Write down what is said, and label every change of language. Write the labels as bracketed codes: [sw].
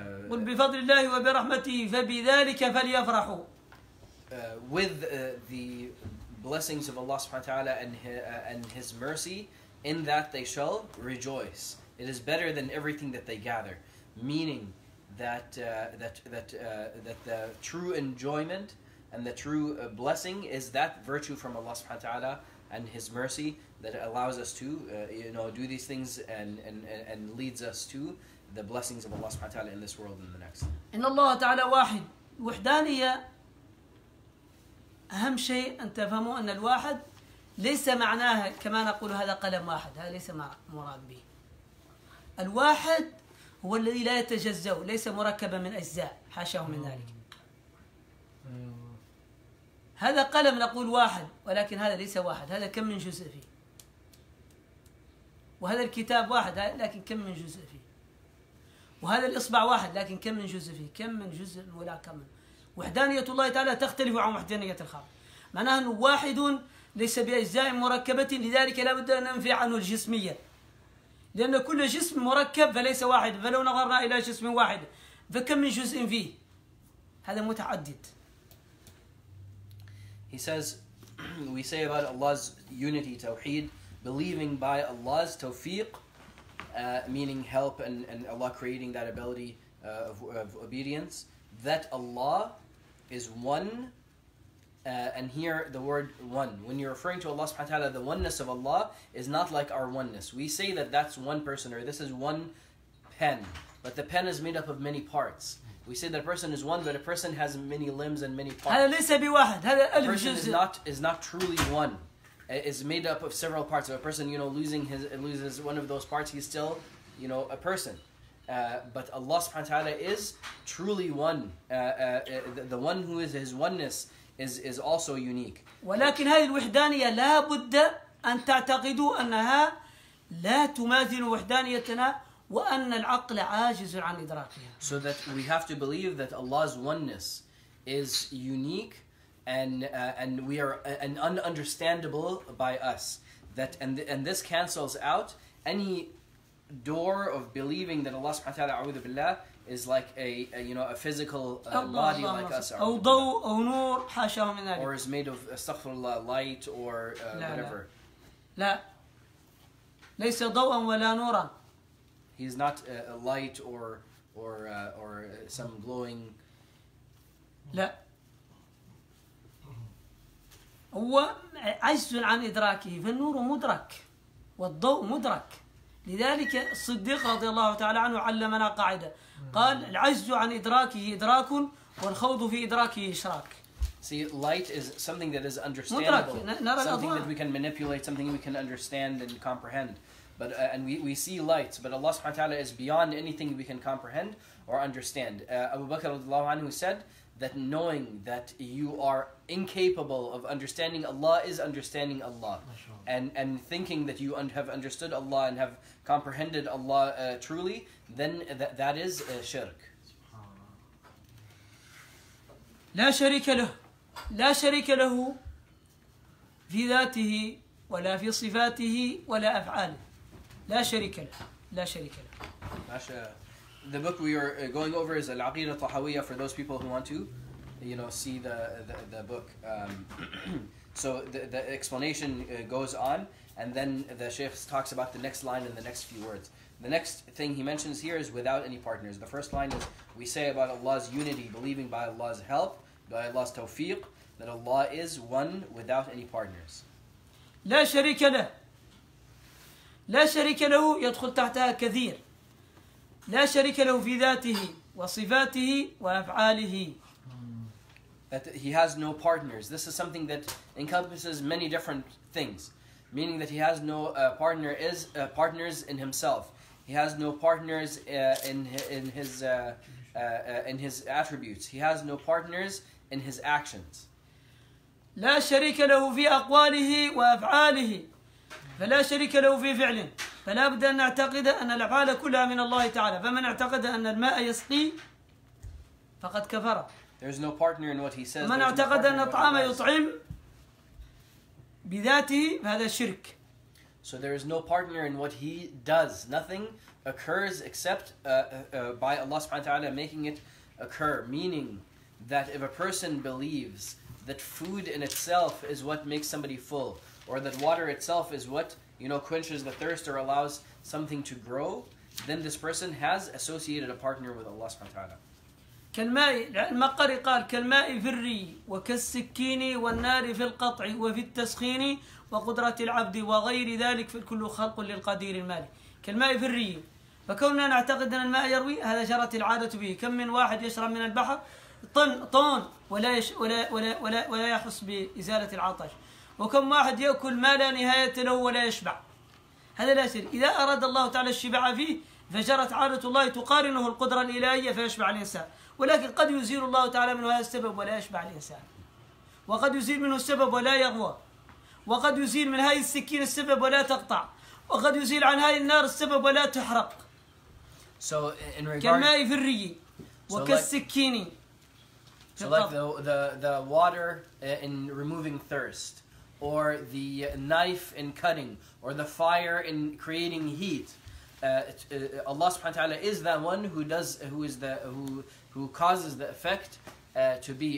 [ar] قل بفضل الله وبرحمته فبذلك فليفرحوا. [en] With the blessings of Allah subhanahu wa ta'ala and His mercy, in that they shall rejoice. It is better than everything that they gather, meaning that that the true enjoyment and the true blessing is that virtue from Allah subhanahu wa ta'ala and His mercy that allows us to do these things and leads us to the blessings of Allah subhanahu wa ta'ala in this world and the next. [ar] إن الله تعالى واحد وحدانية أهم شيء أن تفهموا أن الواحد ليس معناها كما نقول هذا قلم واحد هذا ليس مع مراد به الواحد هو الذي لا يتجزأ ليس مركبا من أجزاء حاشاه من ذلك هذا قلم نقول واحد ولكن هذا ليس واحد هذا كم من جزء فيه وهذا الكتاب واحد لكن كم من جزء فيه وهذا الإصبع واحد لكن كم من جزء فيه كم من جزء ولا كم من وحدانية الله تعالى تختلف عن وحدانية الخالق معناها أنه واحد ليس بأجزاء مركبة لذلك لا بد أن ننفي عنه الجسمية لأن كل جسم مركب فليس واحد فلو نظرنا إلى جسم واحد فكم من جزء فيه هذا متعدد. [en] He says, we say about Allah's unity, tawheed, believing by Allah's tawfiq, meaning help and Allah creating that ability of obedience, that Allah is one, and here the word one. When you're referring to Allah subhanahu wa ta'ala, the oneness of Allah is not like our oneness. We say that that's one person or this is one pen, but the pen is made up of many parts. We say that a person is one, but a person has many limbs and many parts. A person is not truly one. It is made up of several parts. If a person, loses one of those parts, he's still, a person. But Allah subhanahu wa ta'ala is truly one. The one who is His oneness is also unique. [ar] ولكن هذه الوحدانية لا بد أن تعتقدوا أنها لا تماثل وحدانيتنا وأن العقل عاجز عن إدراكها. [en] So that we have to believe that Allah's oneness is unique and we are and ununderstandable by us. And this cancels out any door of believing that Allah subhanahu wa ta'ala, a'udhu billah, is like a physical body like us. [ar] أو ضوء أو نور حاشاه من ذلك. [en] Or is made of [ar] استغفر الله [en] light or whatever. [ar] لا ليس ضوءا ولا نورا. [en] He is not a light or some glowing. [ar] لا. هو عجز عن إدراكه. فالنور مدرك والضوء مدرك. لذلك الصديق رضي الله تعالى عنه علمنا قاعدة. قال العجز عن إدراكه إدراك والخوض في إدراكه إشراك. [en] See, light is something that is understandable. Something that we can manipulate. Something we can understand and comprehend. But and we see lights, but Allah subhanahu wa ta'ala is beyond anything we can comprehend or understand. Abu Bakr radiallahu anhu said that knowing that you are incapable of understanding Allah is understanding Allah. And thinking that you have understood Allah and have comprehended Allah truly, then that is shirk. [ar] لا شريك له لا شريك له في ذاته ولا في صفاته ولا أفعاله. لا شريك له لا شريك له ماشي. [en] The book we are going over is Al-Aqidah Tahawiyah for those people who want to see the book. So the explanation goes on and then the Shaykh talks about the next line and the next few words. The next thing he mentions here is without any partners. The first line is we say about Allah's unity, believing by Allah's help, by Allah's tawfiq, that Allah is one without any partners. [ar] لا شريك له لا شريك له يدخل تحتها كثير لا شريك له في ذاته وصفاته وأفعاله. [en] That he has no partners. This is something that encompasses many different things, meaning that he has no partners in himself. He has no partners in his attributes. He has no partners in his actions. [ar] لا شريك له في أقواله وأفعاله. فلا شريك له في فعله فلا بد أن نعتقد أن الأفعال كلها من الله تعالى فمن اعتقد أن الماء يسقي فقد كفر [en] There's no partner in what he says. [ar] من اعتقد أن الطعام يطعم بذاته فهذا شرك [en] So there is no partner in what he does. Nothing occurs except by Allah subhanahu wa ta'ala making it occur. Meaning that if a person believes that food in itself is what makes somebody full, or that water itself is what, you know, quenches the thirst or allows something to grow, then this person has associated a partner with Allah subhanahu wa ta'ala. [ar] كالماء المقري قال كالماء في الري وكالسكين والنار في القطع وفي التسخين وقدرة العبد وغير ذلك في كل خلق للقدير المالي كالماء في الري فكوننا نعتقد أن الماء يروي هذا جرت العادة به كم من واحد يشرب من البحر طن ولا يش ولا ولا ولا ولا يحس بإزالة العطش وكم واحد يأكل ما لا نهاية له ولا يشبع هذا لا سر إذا أراد الله تعالى الشبع فيه فجرت عادة الله تقارنه القدرة الإلهية فيشبع الإنسان ولكن قد يزيل الله تعالى منه هذا السبب ولا يشبع الإنسان وقد يزيل منه السبب ولا يغوى وقد يزيل من هذه السكين السبب ولا تقطع وقد يزيل عن هذه النار السبب ولا تحرق [en] so in regard [ar] كالماء في الري وكالسكين [en] so like the water in removing thirst or the knife in cutting or the fire in creating heat Allah subhanahu wa ta'ala is that one who causes the effect to be.